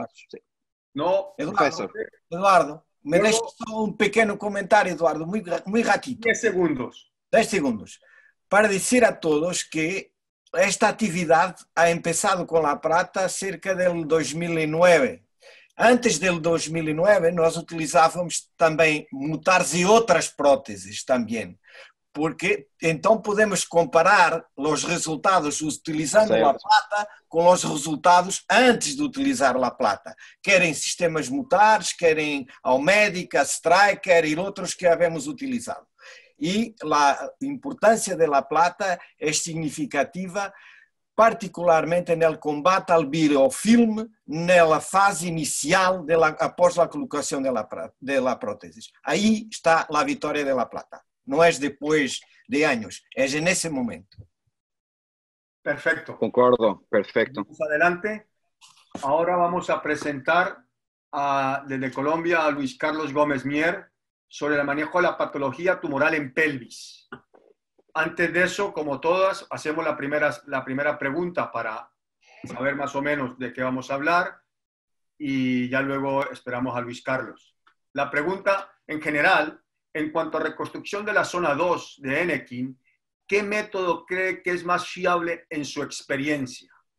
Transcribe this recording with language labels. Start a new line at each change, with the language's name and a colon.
Spanish: Sí. No, Eduardo, me dejas un pequeño comentario, Eduardo, muy, muy ratito. 10 segundos. Para decir a todos que esta actividad ha empezado con la plata cerca del 2009. Antes del 2009,
Portuguese: nós utilizávamos também mutares e outras próteses também, porque então podemos comparar os resultados utilizando a plata com os resultados antes de utilizar a plata. Querem sistemas mutares, querem Almédica, Striker e outros que havíamos utilizado. E a importância da plata é significativa, particularmente no combate ao biofilme na fase inicial após a colocação da prótese. Aí está a vitória da plata. Não é depois de anos, é nesse momento. Perfeito. Concordo, perfeito.
Spanish: Vamos adelante.
Portuguese: Agora vamos a apresentar, desde Colômbia, a Luiz Carlos Gómez Mier sobre o manejo da patologia tumoral em pelvis.
Spanish: Antes de eso, como todas, hacemos la primera pregunta para saber más o menos de qué vamos a hablar y ya luego esperamos a Luis Carlos. La pregunta, en general, en cuanto a reconstrucción de la zona 2 de Enekin, ¿qué método cree que es más fiable en su experiencia?